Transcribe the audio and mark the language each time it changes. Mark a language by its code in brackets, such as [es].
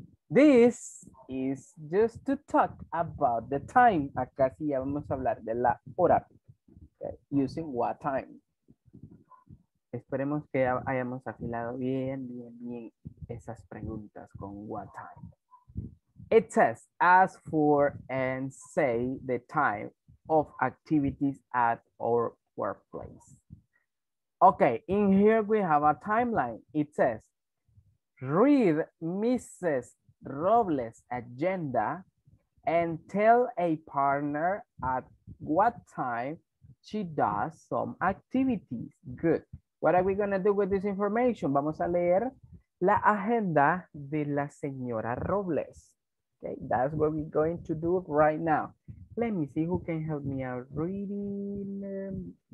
[en] This is just to talk about the time. [es] Acá sí ya vamos a hablar de la hora. Okay. [en] Using what time. [es] Esperemos que hayamos afilado bien esas preguntas con what time. [en] It says, ask for and say the time of activities at our workplace. Okay, in here we have a timeline. It says, read Mrs. Robles' agenda and tell a partner at what time she does some activities. Good. What are we going to do with this information? [es] Vamos a leer la agenda de la señora Robles. [en] Okay, that's what we're going to do right now. Let me see who can help me out reading.